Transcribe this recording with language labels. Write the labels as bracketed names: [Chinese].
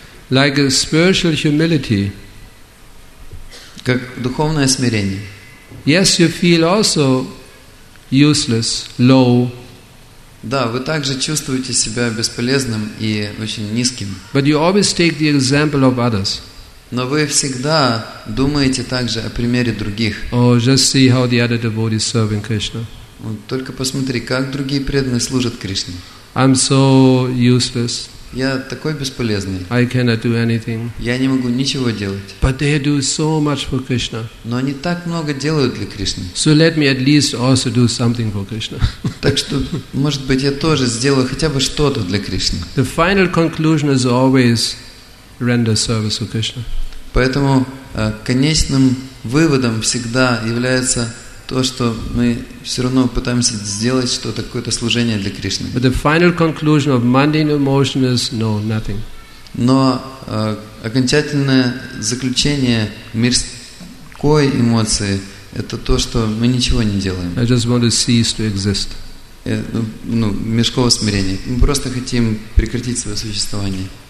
[English] Like a spiritual humility. [Russian] Как духовное смирение. [English] Yes, you feel also useless, low. [Russian] Да, вы также чувствуете себя бесполезным и очень низким. [English] But you always take the example of others. [Russian] Но вы всегда думаете также о примере других. [English] Just see how the other devotees serving Krishna. [Russian] Только посмотри, как другие преданные служат Кришне. [English] I'm so useless. [Russian] Я такой бесполезный. [English] I cannot do anything. [Russian] Я не могу ничего делать. [English] But they do so much for Krishna. [Russian] Но они так много делают для Кришны. [English] So let me at least also do something for Krishna. [Russian] Так что, может быть, я тоже сделаю хотя бы что-то для Кришны. [English] The final conclusion is always render service for Krishna. [Russian] Поэтому конечным выводом всегда является то, что мы все равно пытаемся сделать что-то, какое-то служение для Кришны. [English] But the final conclusion of mundane emotion is no, nothing. [Russian] Но окончательное заключение мирской эмоции – это то, что мы ничего не делаем. [English] I just want to cease to exist. [Russian] Мирского смирения. Мы просто хотим прекратить свое существование.